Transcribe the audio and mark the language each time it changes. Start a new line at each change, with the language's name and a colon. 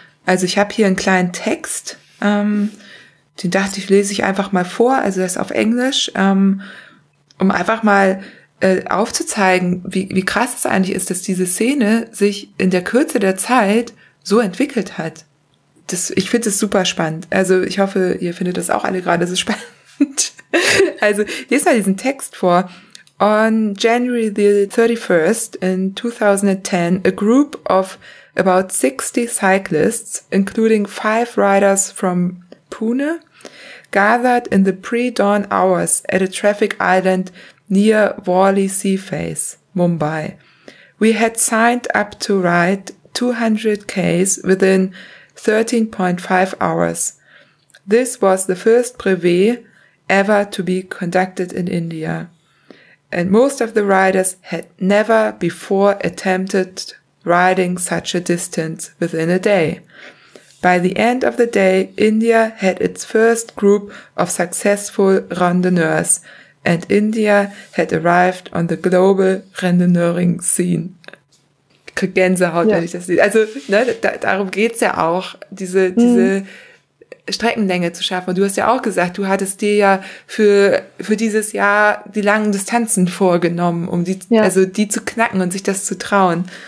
German: Also ich habe hier einen kleinen Text, den dachte ich, lese ich einfach mal vor, also das auf Englisch, um einfach mal aufzuzeigen, wie krass es eigentlich ist, dass diese Szene sich in der Kürze der Zeit so entwickelt hat. Ich finde es super spannend. Also ich hoffe, ihr findet das auch alle gerade so spannend. Also, lies mal diesen Text vor.
English: On January the 31st in 2010, a group of about 60 cyclists, including 5 riders from Pune, gathered in the pre-dawn hours at a traffic island near Worli Sea Face, Mumbai. We had signed up to ride 200 Ks within 13.5 hours. This was the first brevet ever to be conducted in India. And most of the riders had never before attempted riding such a distance within a day. By the end of the day, India had its first group of successful randonneurs, and India had arrived on the global randonneuring scene.
German: Ich krieg Gänsehaut, wenn ich das sehe. Also, ne, darum geht's ja auch, diese Streckenlänge zu schaffen. Und du hast ja auch gesagt, du hattest dir ja für dieses Jahr die langen Distanzen vorgenommen, um die, also die zu knacken und sich das zu trauen.